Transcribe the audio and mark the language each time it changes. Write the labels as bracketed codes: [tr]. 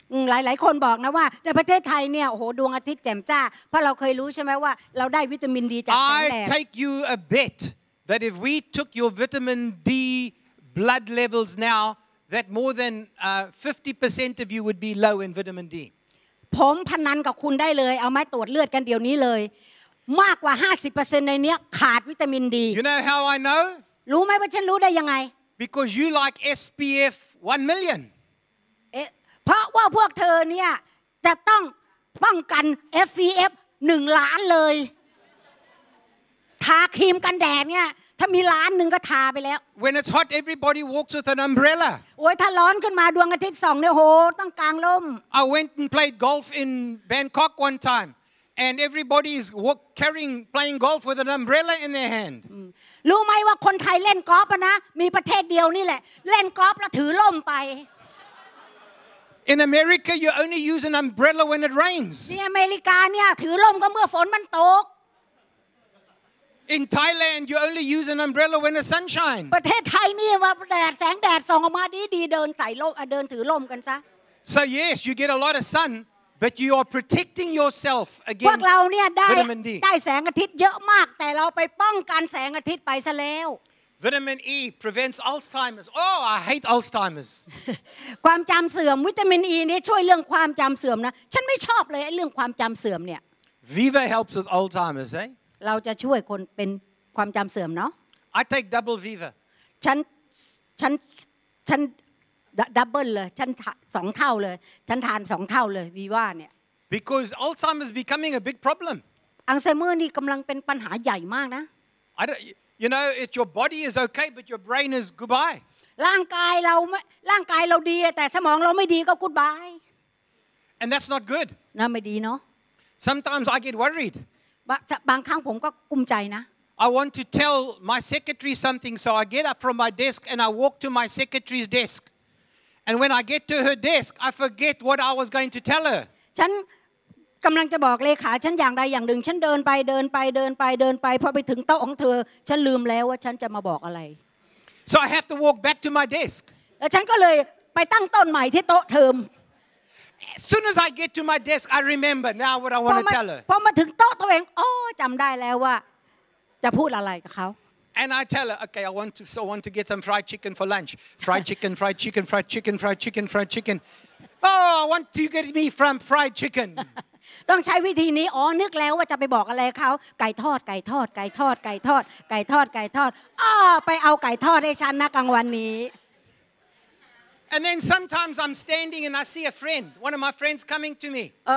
[th] หลายๆคนบอกนะว่าในประเทศไทยเนี่ยโอ้โหดวงอาทิตย์แจ่มจ้าเพราะเราเคยรู้ใช่มั้ยว่าเราได้วิตามินดีจากแสงแดด [en] I take you a bet that if we took your vitamin D blood levels now that more than 50% of you would be low in vitamin D [th] ผมพนันกับคุณได้เลยเอามาตรวจเลือดกันเดี๋ยวนี้เลยมากกว่า 50% ในเนี้ยขาดวิตามินดี [en] You know how I know [th] รู้ไหมว่าฉันรู้ได้ยังไง [en] Because you like SPF 1 million [th] เพราะว่าพวกเธอเนี่ยจะต้องป้องกัน SPF 1ล้านเลยทาครีมกันแดดเนี่ยถ้ามีล้านหนึ่งก็ทาไปแล้ว [en] When it's hot everybody walks with an umbrella [th] โอ้ยถ้าร้อนขึ้นมาดวงอาทิตย์ส่องเนี่ยโหต้องกางร่ม [en] I went and played golf in Bangkok one timeAnd everybody is carrying, playing golf with an umbrella in their hand. [th] รู้ไหมว่าคนไทยเล่นกอล์ฟนะมีประเทศเดียวนี่แหละเล่นกอล์ฟแล้วถือล่มไป [en] In America, you only use an umbrella when it rains. [th] ในอเมริกาเนี่ยถือล่มก็เมื่อฝนมันตก [en] In Thailand, you only use an umbrella when the sun shines. [th] ประเทศไทยนี่ว่าแดดแสงแดดส่องออกมาดีๆเดินใส่ล่มเดินถือล่มกันซะ [en] So yes, you get a lot of sun. But you are protecting yourself against vitamin D. [th] ได้แสงอาทิตย์เยอะมากแต่เราไปป้องกันแสงอาทิตย์ไปซะแล้ว [en] Vitamin E prevents Alzheimer's. Oh, I hate Alzheimer's. [th] ความจำเสื่อมวิตามิน E นี่ช่วยเรื่องความจำเสื่อมนะฉันไม่ชอบเลยไอ้เรื่องความจำเสื่อมเนี่ย [en] Viva helps with Alzheimer's, eh? [th] เราจะช่วยคนเป็นความจำเสื่อมเนาะ [en] I take double Viva. [th] ฉัน ฉันดับเบิ้ลเลยฉัน2เท่าเลยฉันทาน2เท่าเลยวีว่าเนี่ย [en] Because Alzheimer's becoming a big problem. [th] อัลไซเมอร์นี่กําลังเป็นปัญหาใหญ่มากนะ [en] I don't, you know it your body is okay but your brain is goodbye. [th] ร่างกายเราดีแต่สมองเราไม่ดีก็กู๊ดบาย [en] And that's not good. [th] นั่นไม่ดีเนาะ [en] Sometimes I get worried. [th] บางครั้งผมก็กุมใจนะ [en] I want to tell my secretary something, so I get up from my desk and I walk to my secretary's desk. And when I get to her desk, I forget what I was going to tell her. [th] ฉันกำลังจะบอกเลขาฉันอย่างใดอย่างหนึ่งฉันเดินไปเดินไปเดินไปเดินไปพอไปถึงโต๊ะของเธอฉันลืมแล้วว่าฉันจะมาบอกอะไร [en] So I have to walk back to my desk. [th] แล้วฉันก็เลยไปตั้งต้นใหม่ที่โต๊ะเธอ [en] As soon as I get to my desk, I remember now what I want to tell her. [th] พอมาถึงโต๊ะตัวเองโอ้จำได้แล้วว่าจะพูดอะไรกับเขา [en] And I tell her okay I want to get some fried chicken for lunch fried chicken fried chicken fried chicken fried chicken fried chicken oh I want to get me from fried chicken [th] ต้องใช้วิธีนี้อ๋อนึกแล้วว่าจะไปบอกอะไรเขาไก่ทอดไก่ทอดไก่ทอดไก่ทอดไก่ทอดไก่ทอดอ้อไปเอาไก่ทอดให้ฉันนะกลางวันนี้ [en] And then sometimes I'm standing and I see a friend one of my friends coming to me